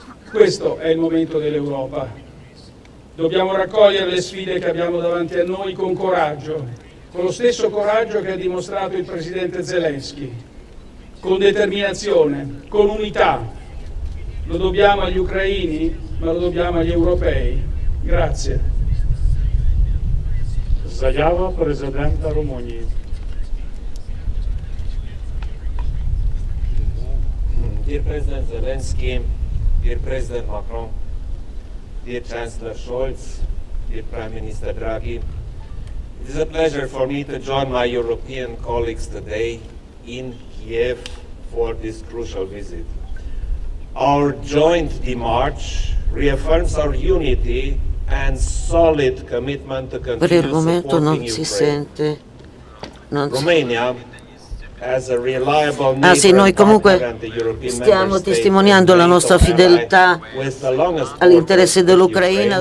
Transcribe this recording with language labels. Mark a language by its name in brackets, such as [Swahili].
[Italian] Questo è il momento dell'Europa. Dobbiamo raccogliere le sfide che abbiamo davanti a noi con coraggio, con lo stesso coraggio che ha dimostrato il Presidente Zelensky, con determinazione, con unità. Lo dobbiamo agli ucraini, ma lo dobbiamo agli europei. Grazie. [Ukrainian] Заява президента Румунії. [English] Dear President Zelensky, dear President Macron, dear Chancellor Scholz, dear Prime Minister Draghi, it is a pleasure for me to join my European colleagues today in Kiev for this crucial visit. Our joint demarche reaffirms our unity and solid commitment to continue supporting Ukraine. [Italian] Non si sente, non [English] Romania, as a reliable neighbor, [Italian] ah sì, noi comunque stiamo testimoniando la nostra fidelità all'interesse dell'Ucraina.